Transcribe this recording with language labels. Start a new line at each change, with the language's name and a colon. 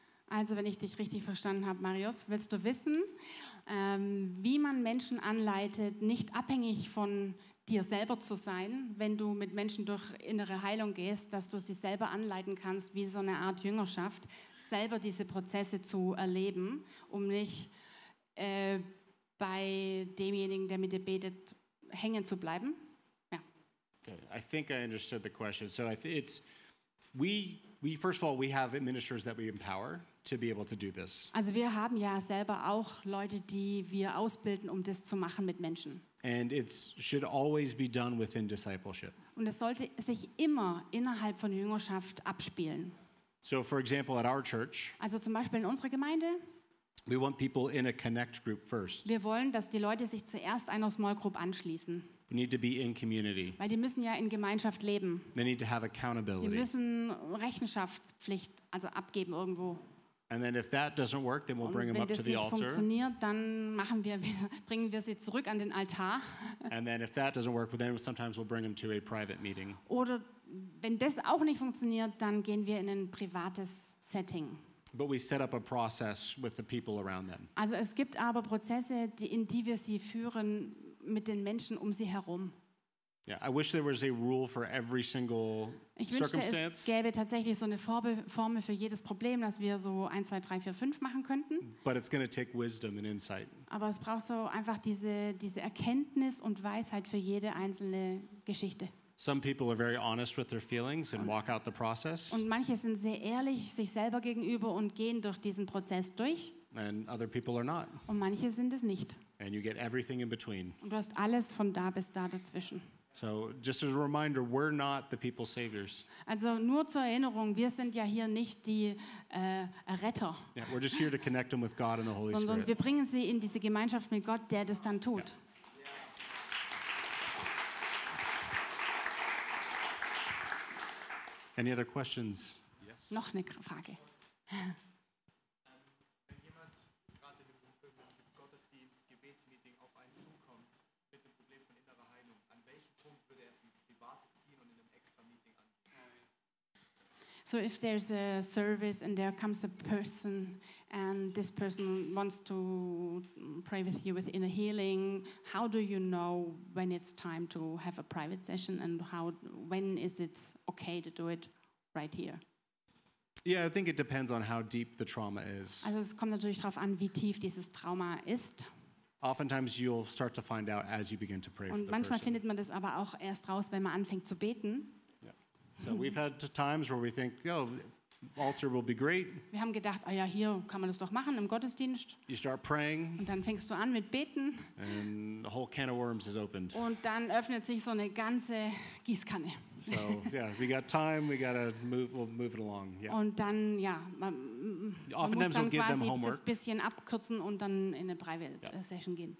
German: Also wenn ich dich richtig verstanden habe, Marius, willst du wissen, wie man Menschen anleitet, nicht abhängig von dir selber zu sein, wenn du mit Menschen durch innere Heilung gehst, dass du sie selber anleiten kannst, wie so eine Art Jüngerschaft, selber diese Prozesse zu erleben, um nicht bei demjenigen, der mit dir betet, hängen zu bleiben? Ja.
English: Okay, I think I understood the question. So it's, we first of all, we have ministers that we empower to be able to do this.
German: Also wir haben ja selber auch Leute, die wir ausbilden, um das zu machen mit Menschen.
English: And it should always be done within discipleship.
German: Und es sollte sich immer innerhalb von Jüngerschaft abspielen.
English: So for example at our church,
German: also zum Beispiel in unserer Gemeinde,
English: we want people in a connect group first.
German: Wir wollen, dass die Leute sich zuerst einer Small Group anschließen.
English: We need to be in community.
German: Weil die müssen ja in Gemeinschaft leben.
English: They need to have accountability.
German: Die müssen Rechenschaftspflicht also abgeben irgendwo.
English: And then if that doesn't work, then we'll bring them up to the altar.
German: Und wenn das nicht funktioniert, dann machen wir, bringen wir sie zurück an den Altar.
English: And then if that doesn't work, then sometimes we'll bring them to a private meeting.
German: Oder wenn das auch nicht funktioniert, dann gehen wir in ein privates Setting.
English: But we set up a process with the people around them.
German: Also es gibt aber Prozesse, in die wir sie führen mit den Menschen um sie herum.
English: Yeah, I wish there was a rule for every single circumstance.
German: Ich wünschte, es gäbe tatsächlich so eine Formel für jedes Problem, dass wir so 1, 2, 3, 4, 5 machen könnten.
English: But it's going to take wisdom and insight.
German: Aber es braucht so einfach diese Erkenntnis und Weisheit für jede einzelne Geschichte.
English: Some people are very honest with their feelings and walk out the process.
German: Und manche sind sehr ehrlich sich selber gegenüber und gehen durch diesen Prozess durch.
English: And other people are not.
German: Und manche sind es nicht.
English: And you get everything in between.
German: Und du hast alles von da bis da dazwischen.
English: So just as a reminder, we're not the people's saviors.
German: Also nur zur Erinnerung, wir sind ja hier nicht die Retter.
English: Yeah, we're just here to connect them with God and the Holy Spirit.
German: Sondern wir bringen sie in diese Gemeinschaft mit Gott, der das dann tut.
English: Yeah. Any other questions? Yes.
German: Noch eine Frage. Wenn jemand gerade in dem Gottesdienst, Gebetsmeeting auf einen zukommt mit dem Problem von innerer Heilung, an welchem Punkt würde er es ins Private ziehen und in einem extra Meeting angehen?
English: So if there's a service and there comes a person and this person wants to pray with you with inner healing, how do you know when it's time to have a private session and when is it okay to do it right here? Yeah, I think it depends on how deep the trauma is.
German: Also es kommt natürlich darauf an, wie tief dieses Trauma ist.
English: Oftentimes you'll start to find out as you begin to pray
German: Und
English: for
German: manchmal
English: the person.
German: Findet man das aber auch erst raus, wenn man anfängt zu beten.
English: Yeah. So we've had times where we think, oh, altar will be great.
German: Wir haben gedacht, ah ja, hier kann man das doch machen im Gottesdienst.
English: You start praying.
German: Und dann fängst du an mit beten.
English: And the whole can of worms is opened.
German: Und dann öffnet sich so eine ganze Gießkanne.
English: So yeah, we got time. We gotta move. We'll move it along. Yeah.
German: Und dann ja, man muss dann quasi das bisschen abkürzen und dann in eine private Session gehen.